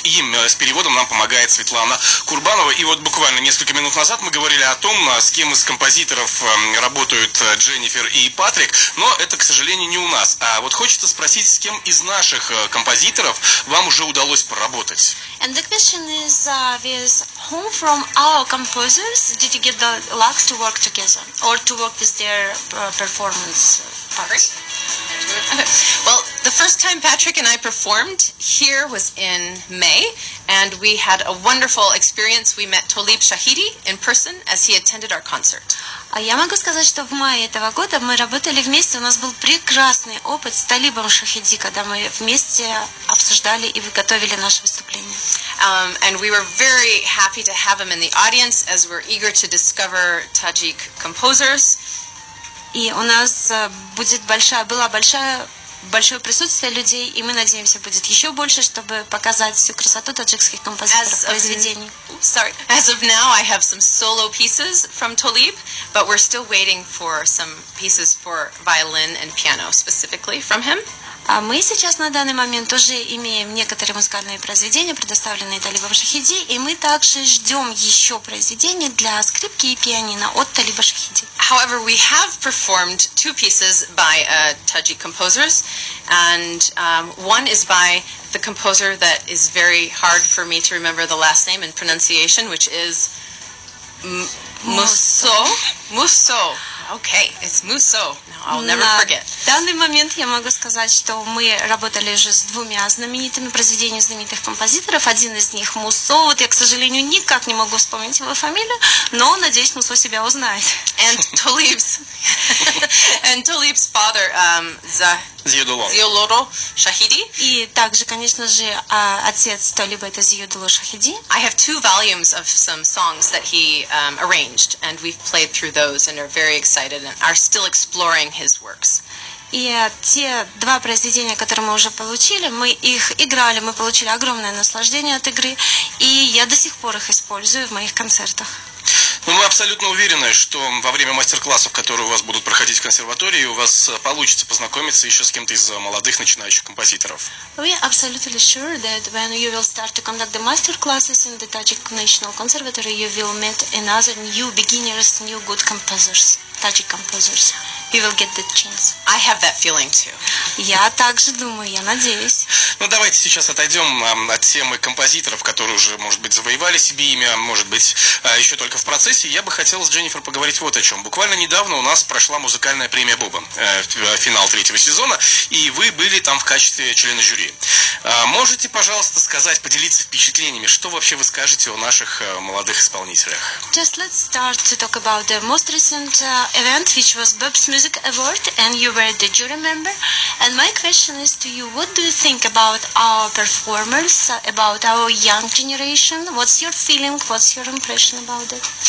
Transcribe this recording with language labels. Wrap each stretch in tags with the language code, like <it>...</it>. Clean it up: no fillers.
<ru>И с переводом нам помогает Светлана Курбанова. И вот буквально несколько минут назад мы говорили о том, с кем из композиторов работают Дженнифер и Патрик. Но это, к сожалению, не у нас. А вот хочется спросить, с кем из наших композиторов вам уже удалось поработать?</ru> <en>And the question is, with whom from our composers did you get the luck to work together or to work with their performance parts? Well, the first time Patrick and I performed here was in May, and we had a wonderful experience. We met Tolib Shahidi in person as he attended our concert.</en> <ru>Я могу сказать, что в мае этого года мы работали вместе. У нас был прекрасный опыт с Талибом Шахиди, когда мы вместе обсуждали и выготовили наше выступление.</ru> <en>And we were very happy to have him in the audience, as we're eager to discover Tajik composers.</en> <ru>И у нас было большое присутствие людей, и мы надеемся, будет еще больше, чтобы показать всю красоту таджикских композиторов произведений.</ru> <en>As of now, I have some solo pieces from Tolib, but we're still waiting for some pieces for violin and piano specifically from him.</en> <ru>А мы сейчас на данный момент уже имеем некоторые музыкальные произведения, предоставленные Талибом Шахиди, и мы также ждем еще произведения для скрипки и пианино от Талиба Шахиди.</ru> <en>However, we have performed two pieces by Tajik composers, and one is by the composer that is very hard for me to remember the last name and pronunciation, which is Musso.</en> <ru>Мусо. Окей,</ru> <en>it's Мусо. I'll never forget.</en> <ru>В данный момент я могу сказать, что мы работали уже с двумя знаменитыми произведениями знаменитых композиторов. Один из них Мусо. Вот я, к сожалению, никак не могу вспомнить его фамилию, но надеюсь, Мусо себя узнает.</ru> <en>And Tulips. And Tulips father, Зиодуло Шахиди.</en> <ru>И также, конечно же, отец Толиба, это Зиодуло Шахиди.</ru> <en>I have two volumes of some songs that he arranged, and we've played through those and are very excited and are still exploring his works.</en> <ru>И те два произведения, которые мы уже получили, мы их играли, мы получили огромное наслаждение от игры, и я до сих пор их использую в моих концертах. Ну, мы абсолютно уверены, что во время мастер-классов, которые у вас будут проходить в консерватории, у вас получится познакомиться еще с кем-то из молодых начинающих композиторов.</ru> <en>We are absolutely sure that when you will start to conduct the master classes in the Tajik National Conservatory, you will meet another new beginners, new good composers, Tajik composers. You will get the chance. I have that feeling too.</en> <ru>Я также думаю, я надеюсь. Ну, давайте сейчас отойдем от темы композиторов, которые уже, может быть, завоевали себе имя, может быть, еще только в процессе. Я бы хотел с Дженнифер поговорить вот о чем. Буквально недавно у нас прошла музыкальная премия Боба, финал третьего сезона, и вы были там в качестве члена жюри. Можете, пожалуйста, сказать, поделиться впечатлениями, что вообще вы скажете о наших молодых исполнителях?</ru> <en>Just let's start to talk about the most recent event, which was Bob's Music Award, and you were the jury member. And my question is to you, what do you think about our performers, about our young generation? What's your feeling, what's your impression about it?</en>